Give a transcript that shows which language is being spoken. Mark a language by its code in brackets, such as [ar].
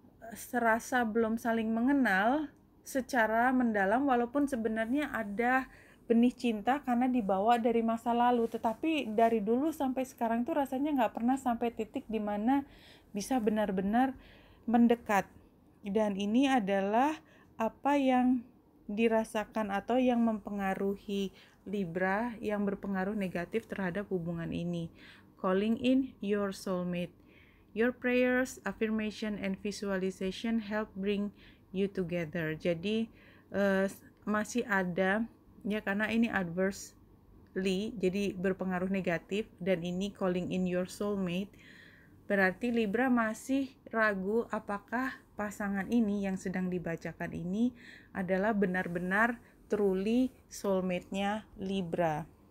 [id] Serasa belum saling mengenal secara mendalam, walaupun sebenarnya ada benih cinta karena dibawa dari masa lalu, tetapi dari dulu sampai sekarang tuh rasanya nggak pernah sampai titik di mana bisa benar-benar mendekat. Dan ini adalah apa yang dirasakan atau yang mempengaruhi Libra, yang berpengaruh negatif terhadap hubungan ini. [en] Calling in your soulmate. Your prayers, affirmation, and visualization help bring you together. [id] Jadi masih ada ya, karena ini adversely, jadi berpengaruh negatif, dan ini [en] calling in your soulmate, [id] berarti Libra masih ragu apakah pasangan ini yang sedang dibacakan ini adalah benar-benar truly soulmate-nya Libra.